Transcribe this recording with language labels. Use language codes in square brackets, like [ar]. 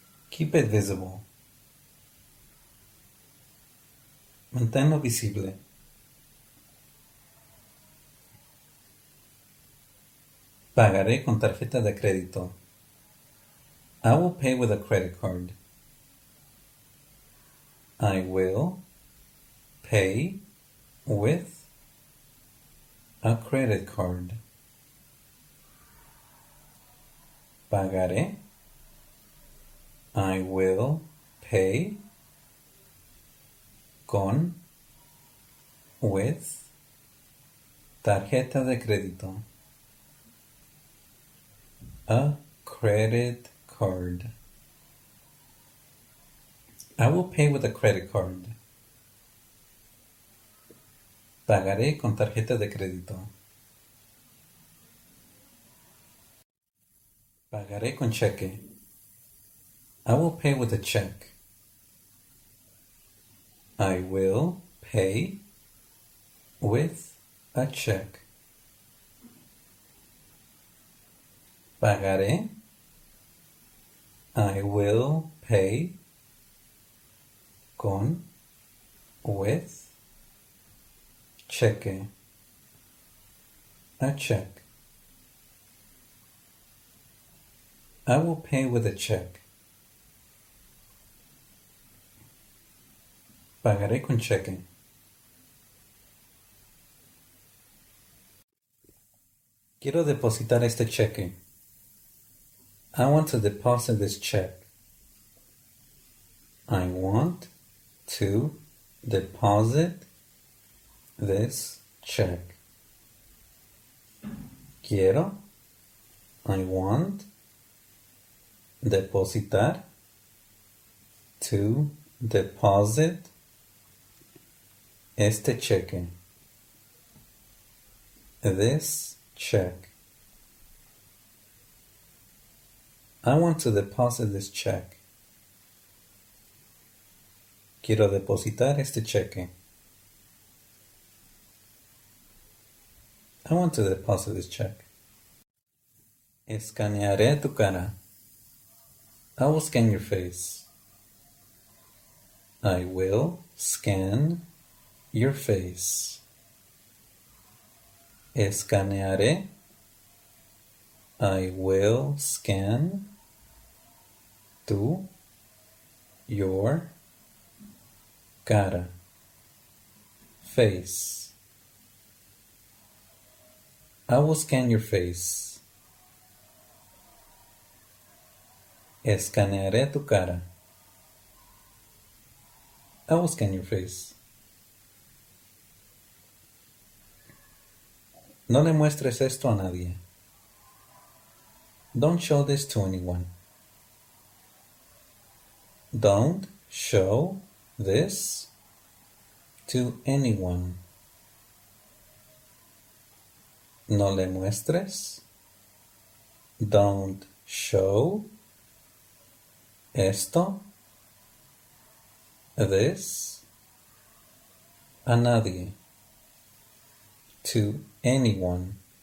[en] Keep it visible. [es] Manténlo visible. Pagaré con tarjeta de crédito. [en] I will pay with a credit card. I will pay with a credit card. [es] Pagaré. [en] I will pay [es] con [en] with [es] tarjeta de crédito. [en] A credit card. I will pay with a credit card. [es] Pagaré con tarjeta de crédito. Pagaré con cheque. [en] I will pay with a check. I will pay with a check. [es] Pagaré. [en] I will pay [es] con [en] with [es] cheque. [en] A check. I will pay with a check. [es] Pagaré con cheque. Quiero depositar este cheque. [en] I want to deposit this check. I want to deposit this check. [es] Quiero. [en] I want. [es] Depositar. [en] To deposit. [es] Este cheque. [en] This check. I want to deposit this check. [es] Quiero depositar este cheque. [en] I want to deposit this check. [es] Escanearé tu cara. [en] I will scan your face. I will scan your face. [es] Escanearé. [en] I will scan [es] tu [en] your [es] cara. [en] Face. I will scan your face. [es] Escanearé tu cara. [en] I will scan your face. [es] No le muestres esto a nadie. [en] Don't show this to anyone. Don't show this to anyone. [es] No le muestres. [en] Don't show [es] esto, [en] this, [es] a nadie, [en] to anyone.